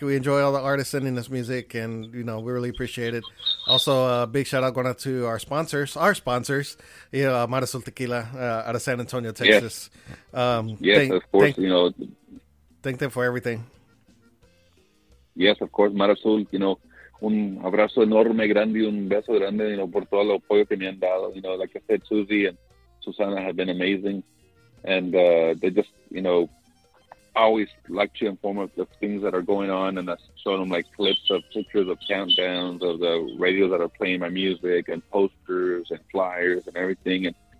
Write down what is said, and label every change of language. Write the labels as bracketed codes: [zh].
[en] We enjoy all the artists sending us music, and you know, we really appreciate it. Also, a big shout out going out to our sponsors. Our sponsors, you know, Marisol Tequila out of San Antonio, Texas. Yes, of course. Thank them for everything. Yes, of course, Marisol. You know, [es] un abrazo enorme, grande, un beso grande, [en] you know, [es] por todo el apoyo que me han dado. [en] You know, like I said, Susie and Susana have been amazing. And they just, you know, always like to inform of the things that are going on. And I show them like clips of pictures of countdowns of the radios that are playing my music and posters and flyers and everything.